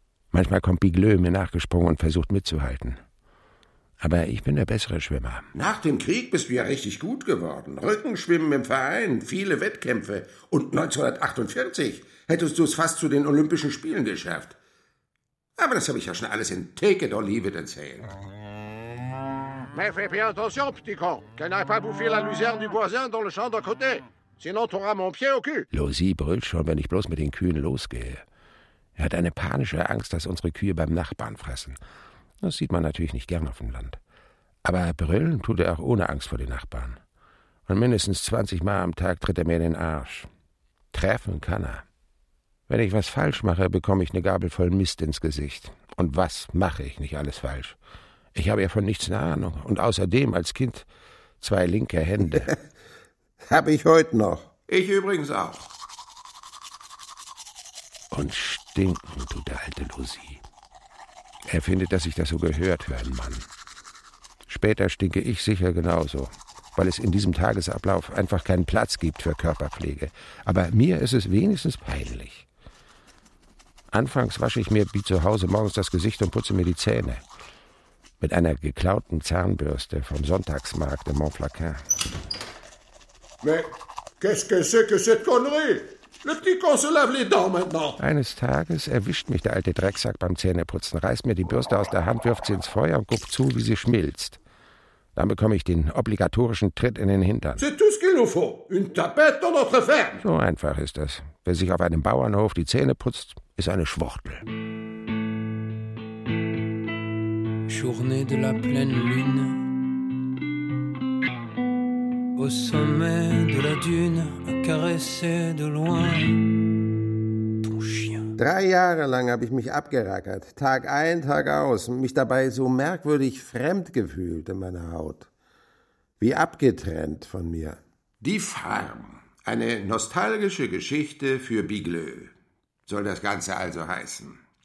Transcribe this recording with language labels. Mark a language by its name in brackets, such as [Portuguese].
[German] Manchmal kommt Bigleux mir nachgesprungen und versucht mitzuhalten. Aber ich bin der bessere Schwimmer. Nach dem Krieg bist du ja richtig gut geworden. Rückenschwimmen im Verein, viele Wettkämpfe. Und 1948 hättest du es fast zu den Olympischen Spielen geschafft. Aber das habe ich ja schon alles in Take It or Leave It erzählt. [French] Mais fais bien attention, petit con. Que n'aille pas bouffer la luzerne du voisin dans le champ d'à côté. Sinon, t'auras mon pied au cul. [German] Lozy brüllt schon, wenn ich bloß mit den Kühen losgehe. Er hat eine panische Angst, dass unsere Kühe beim Nachbarn fressen. Das sieht man natürlich nicht gern auf dem Land. Aber brüllen tut er auch ohne Angst vor den Nachbarn. Und mindestens 20 Mal am Tag tritt er mir in den Arsch. Treffen kann er. Wenn ich was falsch mache, bekomme ich eine Gabel voll Mist ins Gesicht. Und was mache ich nicht alles falsch? Ich habe ja von nichts eine Ahnung. Und außerdem als Kind zwei linke Hände. Habe ich heute noch. Ich übrigens auch. Und stinken tut der alte Lozy. Er findet, dass ich das so gehört für einen Mann. Später stinke ich sicher genauso, weil es in diesem Tagesablauf einfach keinen Platz gibt für Körperpflege. Aber mir ist es wenigstens peinlich. Anfangs wasche ich mir wie zu Hause morgens das Gesicht und putze mir die Zähne. Mit einer geklauten Zahnbürste vom Sonntagsmarkt in Montflacain. [French] Mais qu'est-ce que c'est que cette connerie? Le petit con se lave les dents maintenant. [German] Eines Tages erwischt mich der alte Drecksack beim Zähneputzen, reißt mir die Bürste aus der Hand, wirft sie ins Feuer und guckt zu, wie sie schmilzt. Dann bekomme ich den obligatorischen Tritt in den Hintern. [French] C'est tout ce qu'il nous faut. Une tapette dans notre ferme. [German] So einfach ist das. Wer sich auf einem Bauernhof die Zähne putzt, ist eine Schwuchtel. [French] Journée de la pleine lune. Au sommet de la dune, à caresser de loin ton chien. [German] 3 Jahre lang habe ich mich abgerackert, Tag ein, Tag aus, mich dabei so merkwürdig fremd gefühlt in meiner Haut. Wie abgetrennt von mir. Die Farm, eine nostalgische Geschichte für Bigleux, soll das Ganze also heißen.